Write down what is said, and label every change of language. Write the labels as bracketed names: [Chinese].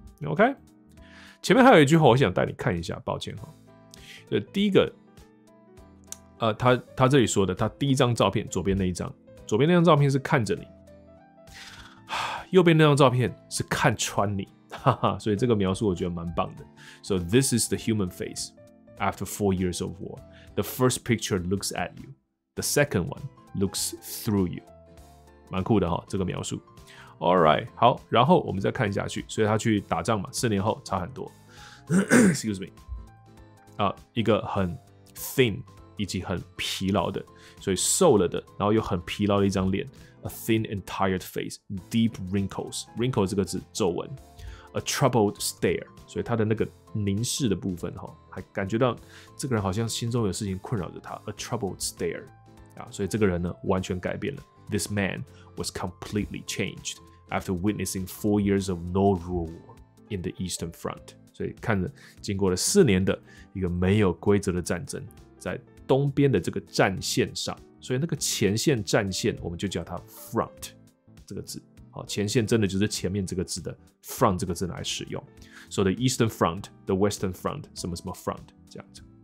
[Chinese] OK， 前面还有一句话，我想带你看一下，抱歉哈。第一个，他这里说的，他第一张照片左边那一张。左边那张照片是看着你，右边那张照片是看穿你，哈哈，所以这个描述我觉得蛮棒的。 [English] So this is the human face after four years of war. The first picture looks at you. The second one looks through you. [Chinese] 蛮酷的哈，这个描述。 [English] All right， [Chinese] 好，然后我们再看下去。所以他去打仗嘛，四年后差很多。 [English] Excuse me， [Chinese] 啊，一个很 thin 以及很疲劳的。所以瘦了的，然后又很疲劳的一张脸 ， [English] a thin and tired face, deep wrinkles. [Chinese] Wrinkles 这个字皱纹 ， [English] a troubled stare. [Chinese] 所以他的那个凝视的部分哈，还感觉到这个人好像心中有事情困扰着他 ，a troubled stare. 啊，所以这个人呢完全改变了。 [English] This man was completely changed after witnessing four years of no rule war in the Eastern Front. [Chinese] 所以看着经过了四年的一个没有规则的战争，在东边的这个战线上，所以那个前线战线我们就叫它 front 这个字。好，前线真的就是前面这个字的 front 这个字来使用。 [English] So the Eastern Front, the Western Front, [Chinese] 什么什么 [English] front 这样子。